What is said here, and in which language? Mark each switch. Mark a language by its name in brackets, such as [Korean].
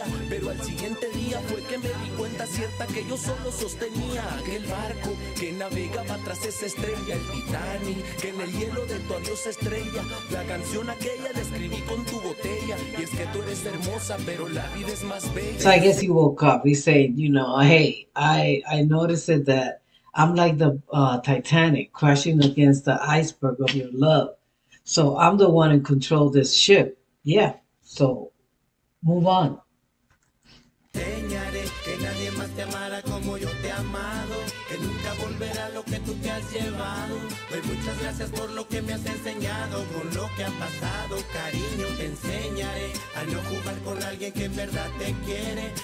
[Spanish] Pero al siguiente día fue que me di cuenta cierta que yo solo sostenía aquel barco que navegaba tras esa estrella, el Titanic, que en el hielo de tu adiós estrella, la canción aquella la escribí con tu botella, y es que tú eres hermosa, pero la vida es más bella. [English] So I guess he woke up, he said, you know, hey, I noticed that I'm like the Titanic crashing against the iceberg of your love, so I'm the one in control of this ship. So move on. [Spanish] Señaré que nadie más te amará como yo te he amado, que nunca volverá lo que tú te has llevado. Doy muchas gracias por lo que me has enseñado, con lo que ha pasado, cariño, te enseñaré a no jugar con alguien que en verdad te quiere.